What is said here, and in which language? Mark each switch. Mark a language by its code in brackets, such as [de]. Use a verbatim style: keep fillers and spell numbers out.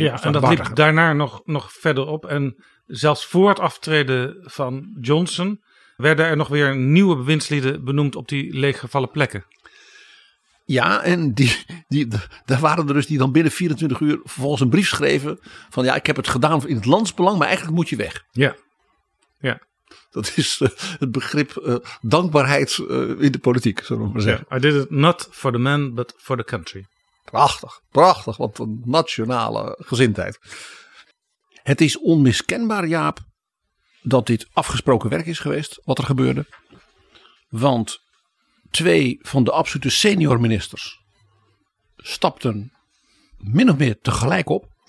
[nl] Ja, en dat liep daarna nog, nog verder op. En zelfs voor het aftreden van Johnson werden er nog weer nieuwe bewindslieden benoemd op die leeggevallen plekken. Ja, en die, die, daar waren er dus die dan binnen vierentwintig uur vervolgens een brief schreven van ja, ik heb het gedaan in het landsbelang, maar eigenlijk moet je weg. Ja, ja. Dat is uh, het begrip uh, dankbaarheid uh, in de politiek, zullen we maar zeggen. [en] I did it not for the man, but for the country. [nl] Prachtig, prachtig. Wat een nationale gezindheid. Het is onmiskenbaar, Jaap, dat dit afgesproken werk is geweest, wat er gebeurde. Want twee van de absolute senior ministers stapten min of meer tegelijk op.